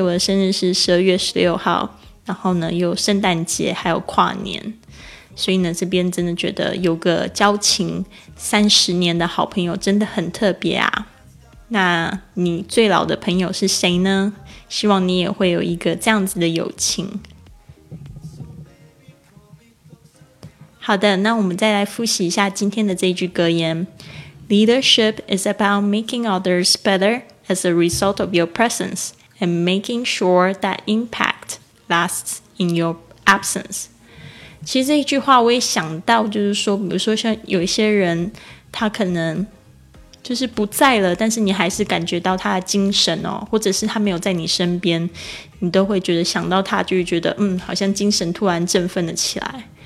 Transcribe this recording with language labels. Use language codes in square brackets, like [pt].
[zh] 我的生日是12月16号，然后呢又有圣诞节还有跨年，所以呢这边真的觉得有个交情30年的好朋友真的很特别啊。那你最老的朋友是谁呢？希望你也会有一个这样子的友情。好的，那我们再来复习一下今天的这句格言。 [en] Leadership is about making others betteras a result of your presence and making sure that impact lasts in your absence. [zh] 其实这一句话我也想到，就是说比如说像有一些人他可能就是不在了，但是你还是感觉到他的精神哦，或者是他没有在你身边，你都会觉得想到他就会觉得好像精神突然振奋了起来。